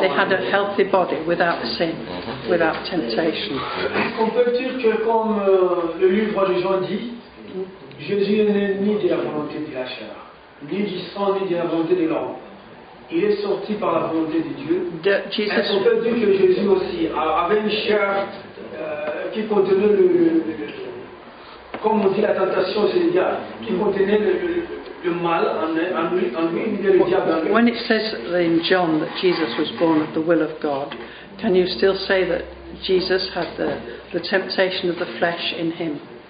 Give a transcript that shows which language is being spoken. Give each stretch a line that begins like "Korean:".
English: they had a healthy body without sin, without temptation.
French: On peut dire que comme le livre de Jean dit, Jésus n'est ni de la volonté de la chair, ni du sang, ni de la volonté de l'homme. Il est sorti par la volonté de Dieu.
English: Jesus,
French: on peut dire que Jésus aussi avait une chair qui contenait le comme on dit la tentation, c'est le diable, qui contenait le mal en lui.
English: When it says in John that Jesus was born of the will of God, can you still say that Jesus had the temptation of the flesh in him?